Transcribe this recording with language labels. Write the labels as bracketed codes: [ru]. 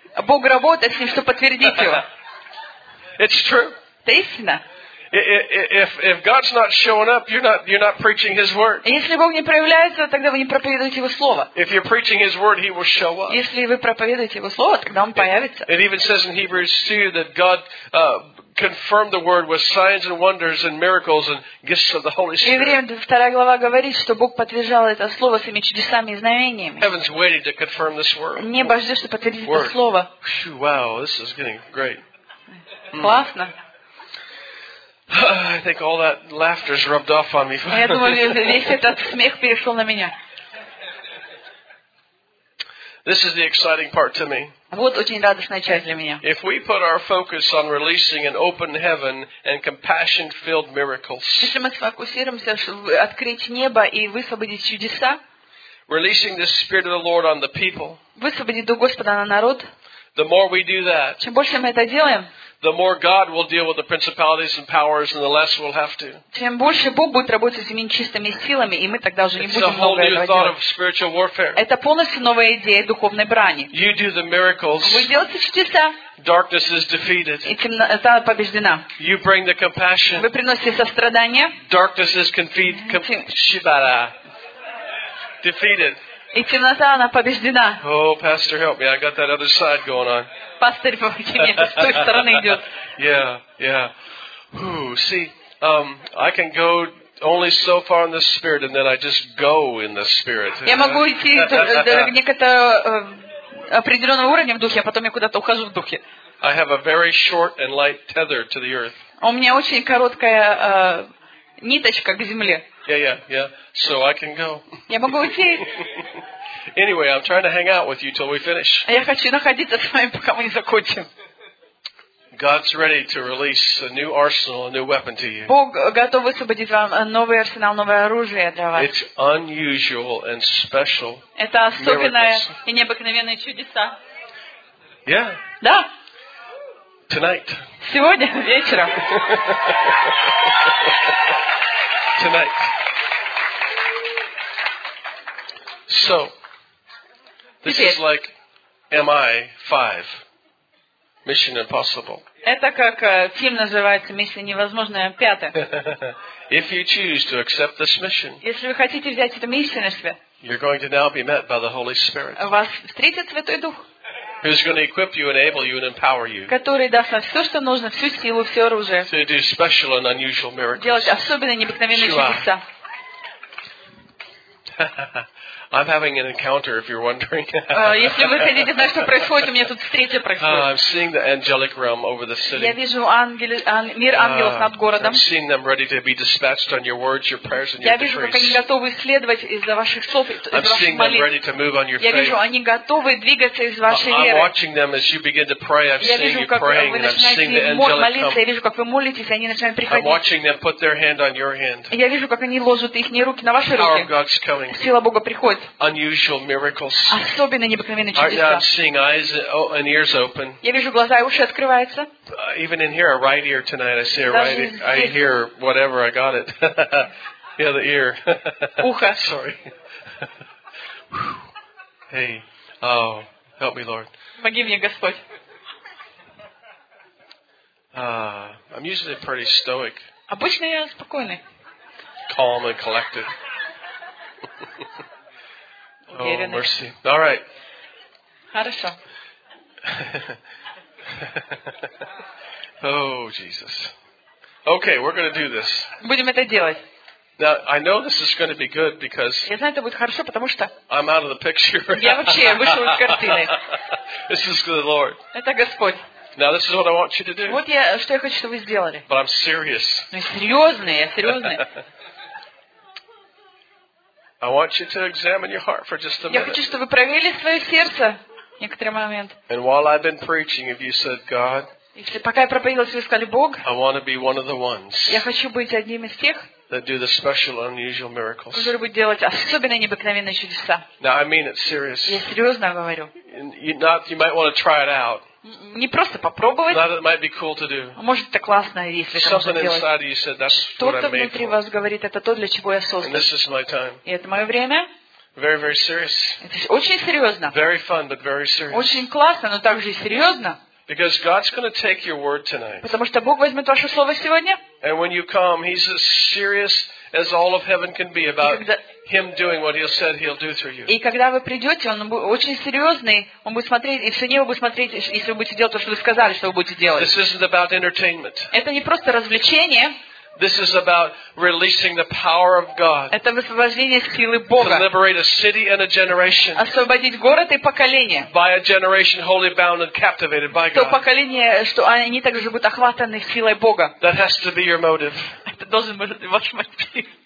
[ru] Бог работает с ним, чтобы подтвердить его. [en] It's true. [ru] Это истина. [en] If God's not showing up, you're not preaching His word. [ru] Если Бог не проявляется, тогда вы не проповедуете Его слово. [en] If you're preaching His word, He will show up. [ru] Если вы проповедуете Его слово, тогда Он появится. [en] It even says in Hebrews 2 that God confirmed the word with signs and wonders and miracles and gifts of the Holy Spirit. [ru] Евреям 2 глава говорит, что Бог подтверждал это слово своими чудесами и знамениями. [en] Heaven's waiting to confirm this word. [ru] Небо ждет, чтобы подтвердить это слово. [en] Wow, this is getting great. [ru] Классно. [en] I think all that laughter is rubbed off on me. [ru] Я думаю, весь этот смех перешел на меня. [en] This is the exciting part to me. [ru] Вот очень радостная часть для меня. [en] If we put our focus on releasing an open heaven and compassion-filled miracles. [ru] Если мы сфокусируемся, чтобы открыть небо и высвободить чудеса. [en] Releasing the Spirit of the Lord on the people. [ru] Высвободить Дух Господа на народ. [en] The more we do that. [ru] Чем больше мы это делаем. [en] The more God will deal with the principalities and powers, and the less we'll have to. [ru] Тем больше Бог будет работать с этими нечистыми силами, и мы тогда уже не будем много этого делать. [en] It's a whole new thought of spiritual warfare. [ru] Это полностью новая идея духовной брани. [en] You do the miracles. [ru] Вы делаете чудеса. [en] Darkness is defeated. [ru] И темнота побеждена. [en] You bring the compassion. [ru] Вы приносите сострадание. [en] Darkness is defeated. [ru] И темнота она побеждена. [en] Oh, Pastor, help me! I got that other side going on. [ru] Пастырь, помоги мне, с той стороны идет. [en] Yeah, yeah. Ooh, see, I can go only so far in the spirit, and then I just go in the spirit. [ru] Я могу идти до некоторого определенного уровня в духе, а потом я куда-то ухожу в духе. [en] I have a very short and light tether to the earth. [ru] У меня очень короткая ниточка к земле. [en] Yeah, yeah, yeah. So I can go. [ru] Я могу уйти. [en] Anyway, I'm trying to hang out with you till we finish. [ru] Я хочу находиться с вами, пока мы не закончим. [en] God's ready to release a new arsenal, a new weapon to you. [ru] Бог готов высвободить вам новый арсенал, новое оружие для вас. [en] It's unusual and special. [ru] Это особенное и необыкновенные чудеса. [en] Yeah. [ru] Да. [en] Tonight. [ru] Сегодня вечером. [en] Tonight. So, this is like MI5, Mission Impossible. [ru] Это как фильм называется «Миссия невозможная пятая». [en] If you choose to accept this mission, [ru] если вы хотите взять эту миссию на себя, [en] you're going to now be met by the Holy Spirit. [ru] Вас встретит Святой Дух. [en] Who's going to equip you, enable you, and empower you? [ru] Который даст вам все, что нужно, всю силу, все оружие. [en] To do special and unusual miracles. [ru] Делать особенные, необыкновенные чудеса. [en] I'm having an encounter, if you're wondering. [ru] Если вы хотите знать, что происходит, у меня тут встреча происходит. [en] I'm seeing the angelic realm over the city. [ru] Я вижу мир ангелов над городом. [en] I'm seeing them ready to be dispatched on your words, your prayers, and your decrees. [ru] Я вижу, как они готовы исследовать из-за ваших слов, из-за ваших молитв. [en] I'm seeing them ready to move on your faith. [ru] Я вижу, они готовы двигаться из вашей веры. [en] I'm watching them as you begin to pray. I'm seeing you praying, and I'm seeing the angelic realm. [ru] Молиться, я вижу, как вы молитесь, они начинают приходить. [en] I'm watching them put their hand on your hand. [ru] Я вижу, как они ложат их руки на ваши руки. [en] Power of God's coming. [ru] Сила Бога приходит. [en] Unusual miracles. [ru] Особенно необыкновенные чудеса. [en] I'm seeing eyes and ears open. [ru] Я вижу глаза и уши открываются. [en] Even in here, a right ear tonight. I see a right ear. I hear whatever. I got it. Yeah, the ear. [ru] Ухо. [en] Sorry. Hey. Oh, help me, Lord. [ru] Помоги мне, Господь. [en] I'm usually pretty stoic. [ru] Обычно я спокойный. [en] Calm and collected. Oh, mercy. All right. [ru] Хорошо. [en] Oh, Jesus. Okay, we're going to do this. [ru] Будем это делать. [en] Now, I know this is going to be good because [ru] я знаю, это будет хорошо, потому что [en] I'm out of the picture. [ru] Я вообще вышел из картины. [en] This is the Lord. [ru] Это Господь. [en] Now, this is what I want you to do. [ru] Вот что я хочу, чтобы вы сделали. [en] But I'm serious. [ru] Ну, серьезный, я серьезный. [en] I want you to examine your heart for just a minute. [ru] Я хочу, чтобы вы проверили свое сердце некоторый момент. [en] And while I've been preaching, if you said God, [ru] если пока я проповедовал, вы сказали Бог, [en] I want to be one of the ones. [ru] Я хочу быть одним из тех, [en] that do the special, unusual miracles. [ru] Которые будут делать особенные необыкновенные чудеса. [en] Now I mean it serious. [ru] Я серьезно говорю. [en] You might want to try it out. [ru] Не просто попробовать. [en] Not that it might be cool to do. [ru] Может, это классно, если это [en] something [ru] можно [en] inside [ru] делать. [en] You said, that's [ru] что-то внутри [en] for. [ru] Вас говорит, это то, для чего я создан. [en] And this is my time. [ru] И это мое время. [en] Very, very serious. [ru] Это очень серьезно. [en] Very fun, but very serious. [ru] Очень классно, но также и серьезно. [en] Because God's going to take your word tonight. [ru] Потому что Бог возьмет ваше слово сегодня. [en] And when you come, He's as serious as all of heaven can be about Him doing what He said He'll do through you. [ru] И когда вы придете, Он очень серьезный, Он будет смотреть, и все небо будет смотреть, если вы будете делать то, что вы сказали, что вы будете делать. [en] This isn't about entertainment. [ru] Это не просто развлечение. [en] This is about releasing the power of God. [ru] Это высвобождение силы Бога. [en] To liberate a city and a generation. [ru] Освободить город и поколение. [en] By a generation wholly bound and captivated by God. [ru] То поколение, что они также будут охвачены силой Бога. [en] That has to be your motive. [ru] Это должен быть ваш мотив.